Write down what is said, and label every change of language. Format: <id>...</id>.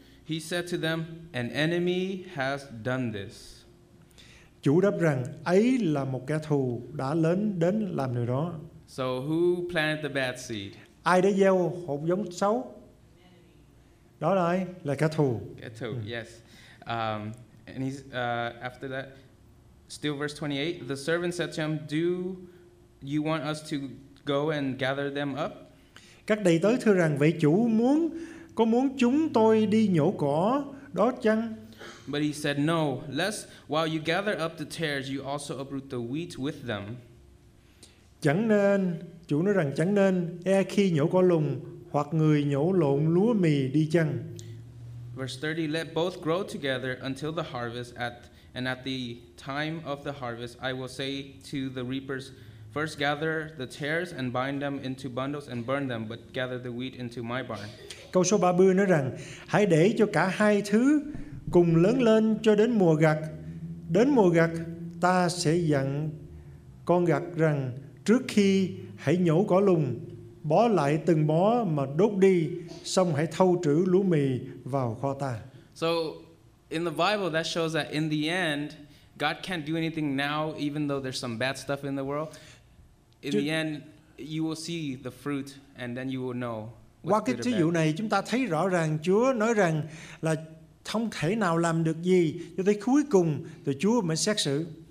<en>He said to them, "An enemy has done this."</en> <vi>Chủ đáp rằng, "Ấy là một kẻ thù đã lớn đến làm điều đó."</vi> <en>So who planted the bad seed?</en> <vi>Ai đã gieo hột giống xấu? Đó là ai? Là kẻ thù. Kẻ thù, yes.</vi> <en>And he's after that, still verse 28, the servant said to him, "Do you want us to go and gather them up?"</en> <vi>Các đầy tớ thưa rằng, "Vậy chủ muốn, có muốn chúng tôi đi nhổ cỏ đó chăng?"</vi> <en>But he said, "No, lest while you gather up the tares, you also uproot the wheat with them."</en> <vi>Chẳng nên, chủ nói rằng chẳng nên, e khi nhổ cỏ lùng hoặc người nhổ lộn lúa mì đi chăng.</vi> <en>Verse 30, let both grow together until the harvest, and at the time of the harvest I will say to the reapers, first gather the tares and bind them into bundles and burn them, but gather the wheat into my barn.</en> <vi>Câu số 30 nói rằng hãy để cho cả hai thứ cùng lớn lên cho đến mùa gặt. Đến mùa gặt ta sẽ dặn con gặt rằng trước khi hãy nhổ cỏ lùng, bó lại từng bó mà đốt đi, xong hãy thâu trữ lúa mì vào kho ta.</vi> <en>So in the Bible that shows that in the end God can't do anything now even though there's some bad stuff in the world. In the end you will see the fruit and then you will know.</en> <vi>Qua cái thí dụ này chúng ta thấy rõ ràng Chúa nói rằng là không thể nào làm được gì cho tới cuối cùng thì Chúa mới xét xử.</vi>